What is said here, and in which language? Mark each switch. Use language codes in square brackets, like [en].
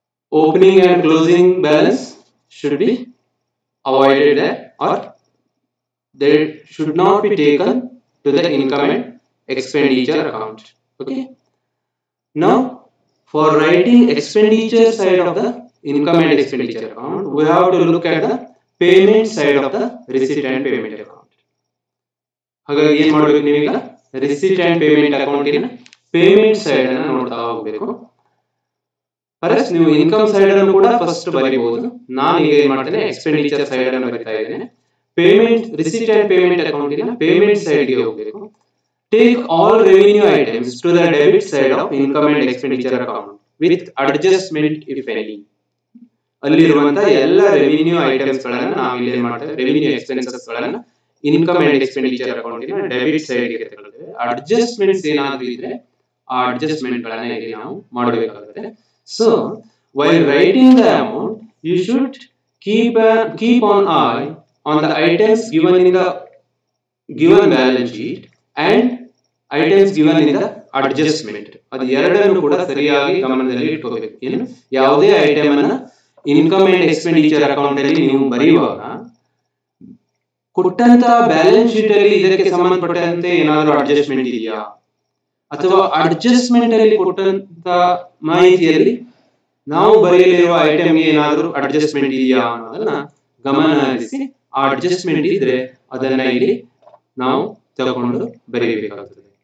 [en] Opening and closing balance should be avoided there, or they should not be taken to the income and expenditure account. Okay. Now, for writing expenditure side of the income and expenditure account, we have to look at the payment side of the receipt and payment account. [kn] ಹಾಗಾಗಿ ಏನು ಮಾಡಬೇಕು ನೀವು ಈಗ receipt and payment account ಇನ payment side ಅನ್ನು ನೋಡ್ತಾ ಹೋಗಬೇಕು. First ನೀವು ಇನ್ಕಮ್ ಸೈಡ್ ಅನ್ನು ಕೂಡ ಫಸ್ಟ್ ಬರೀಬಹುದು. ನಾನು ಈಗ ಏನ್ ಮಾಡ್ತೇನೆ, ಎಕ್ಸ್ಪೆಂಡಿಚರ್ ಸೈಡ್ ಅನ್ನು ಬರಿತಾ ಇದ್ದೇನೆ. Payment receipt and payment account ಇಲ್ಲ, ಪೇಮೆಂಟ್ ಸೈಡ್ ಗೆ ಹೋಗ್ಬೇಕು. [en] Take all revenue items to the debit side of income and expenditure account with adjustment if any. [kn] ಅಲ್ಲಿರುವಂತಹ ಎಲ್ಲ ರೆವಿನ್ಯೂ ಐಟಮ್ಸ್ ಗಳನ್ನ ನಾವು ಇಲ್ಲಿ ಏನ್ ಮಾಡ್ತೇವೆ, ರೆವಿನ್ಯೂ ಎಕ್ಸ್ಪೆನ್ಸಸ್ ಗಳನ್ನ ಇನ್ಕಮ್ ಅಂಡ್ ಎಕ್ಸ್ಪೆಂಡಿಚರ್ ಅಕೌಂಟ್ ಇಲ್ಲ ಡೆಬಿಟ್ ಸೈಡ್ ಗೆ ತೆಗೆದುಕೊಳ್ತೇವೆ. ಅಡ್ಜಸ್ಟ್ಮೆಂಟ್ಸ್ ಏನಾದ್ರೂ ಇದ್ರೆ ಆ ಅಡ್ಜಸ್ಟ್ಮೆಂಟ್ ಗಳನ್ನ ಇಲ್ಲಿ ನಾವು ಮಾಡಬೇಕಾಗುತ್ತೆ. [en] So while writing the amount you should keep on eye on the items given in the given balance sheet and items given in the adjustment. [kn] ಅದು ಎರಡನ್ನು ಕೂಡ ಸರಿಯಾಗಿ ಗಮನದಲ್ಲಿ ಇಟ್ಕೋಬೇಕು. ಏನು ಯಾವುದೇ ಐಟಮ್ ಅನ್ನ ಇನ್ಕಮ್ ಅಂಡ್ ಎಕ್ಸ್ಪೆಂಡಿಚರ್ ಅಕೌಂಟ್ ಅಲ್ಲಿ ನೀವು ಬರೆಯುವಾಗ ಕೊಟ್ಟಂತ ಬ್ಯಾಲೆನ್ಸ್ ಶೀಟ್ ಅಲ್ಲಿ ಇದಕ್ಕೆ ಸಂಬಂಧಪಟ್ಟಂತೆ ಏನಾದರೂ ಅಡ್ಜಸ್ಟ್ಮೆಂಟ್ ಇದೆಯಾ, ಅಥವಾ ಅಡ್ಜಸ್ಟ್ಮೆಂಟ್ ಅಲ್ಲಿ ಕೊಟ್ಟಂತ ಮಾಹಿತಿಯಲ್ಲಿ ನಾವು ಬರೆಯಲಿರುವ ಐಟಮ್ಗೆ ಏನಾದರೂ ಅಡ್ಜಸ್ಟ್ಮೆಂಟ್ ಇದೆಯಾ ಅನ್ನೋದನ್ನ ಗಮನಿಸಿ, ಆ ಅಡ್ಜಸ್ಟ್ಮೆಂಟ್ ಇದ್ರೆ ಅದನ್ನ ಇಲ್ಲಿ ನಾವು ತಗೊಂಡು ಬರೆಯಬೇಕಾಗುತ್ತದೆ.